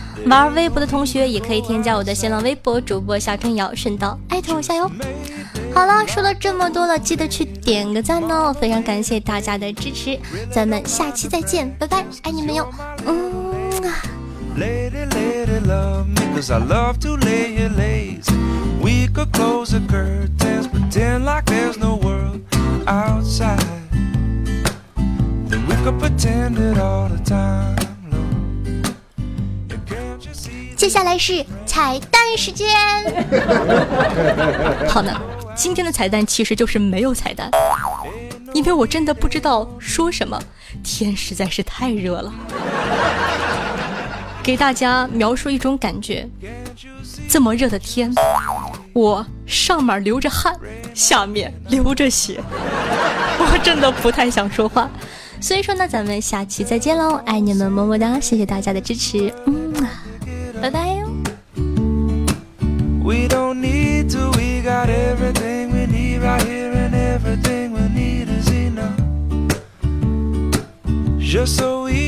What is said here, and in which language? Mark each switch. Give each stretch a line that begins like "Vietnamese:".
Chinese: 玩微博的同学也可以添加我的新浪微博主播夏春瑶，顺道艾特我一下哟。好了，说了这么多了，记得去点个赞哦，非常感谢大家的支持，咱们下期再见，拜拜，爱你们哟。嗯啊。
English: Lady, lady, love me, 'cause I love to lay here lazy. We could close the curtains, pretend like there's no world outside. Then we could pretend it all the time, love. Can't you see?
Chinese: 接下来是彩蛋时间。好呢，今天的彩蛋其实就是没有彩蛋，因为我真的不知道说什么，天实在是太热了。给大家描述一种感觉，这么热的天，我上面流着汗，下面流着血，我真的不太想说话。所以说呢，咱们下期再见喽，爱你们么么哒，谢谢大家的支持，嗯，拜拜哟。
English: We don't need to, we got everything we need right here, and everything we need is enough. Just so